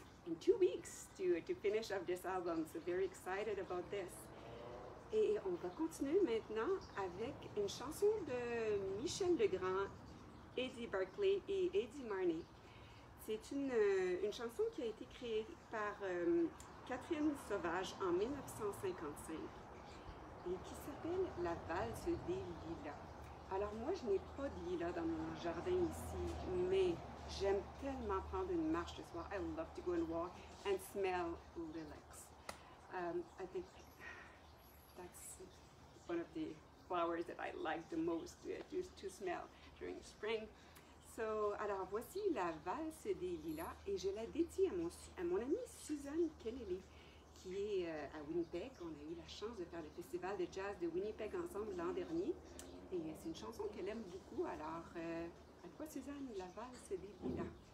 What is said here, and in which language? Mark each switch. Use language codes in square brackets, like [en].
[en] In 2 weeks to finish up this album, so very excited about this. [fr] Et on va continuer maintenant avec une chanson de Michel Legrand, Eddie Barclay et Eddie Marnay. C'est une chanson qui a été créée par Catherine Sauvage en 1955 et qui s'appelle la valse des lilas. Alors moi, je n'ai pas de lilas dans mon jardin ici, mais j'aime tellement prendre une marche le soir. [en] I love to go and walk and smell lilacs. I think that's one of the flowers that I like the most to smell during spring. [fr] So, alors voici la valse des lilas et je la dédie à mon amie Suzanne Kennelly qui est à Winnipeg. On a eu la chance de faire le festival de jazz de Winnipeg ensemble l'an dernier et c'est une chanson qu'elle aime beaucoup. Alors à toi Suzanne, la valse des lilas.